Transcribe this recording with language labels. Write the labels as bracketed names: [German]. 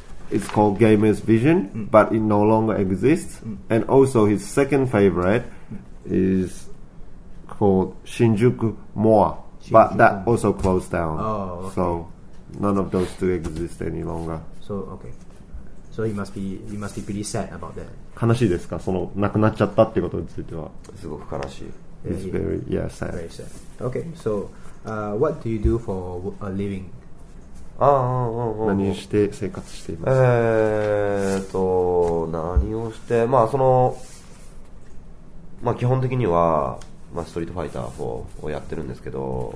[English] It's called Gamer's Vision, but it no longer exists. And also his second favorite is called Shinjuku Moa, but that also closed down. Oh, okay. So none of those two exist any longer. So, okay. So he must be pretty sad about that. [Japanese] 悲しいですか? その、なくなっちゃったってことについては。すごく悲しい。 [English] It's very, yeah, sad. Very sad. Okay, so what do you do for a living? [Japanese] 何をして生活しています。何をしてまあそのまあ基本的にはまあストリートファイター4をやってるんですけど、